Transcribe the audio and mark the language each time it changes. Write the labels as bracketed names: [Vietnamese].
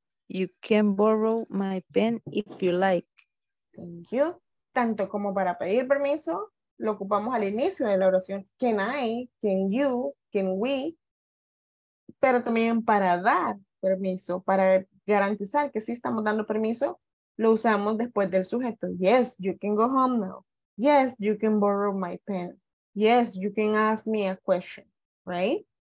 [English] You can borrow my pen if you like. Thank you. [Spanish] Tanto como para pedir permiso, lo ocupamos al inicio de la oración. [English] Can I, can you, can we. [Spanish] Pero también para dar permiso, para garantizar que sí estamos dando permiso, lo usamos después del sujeto. [English] Yes, you can go home now. Yes, you can borrow my pen. Yes, you can ask me a question, right?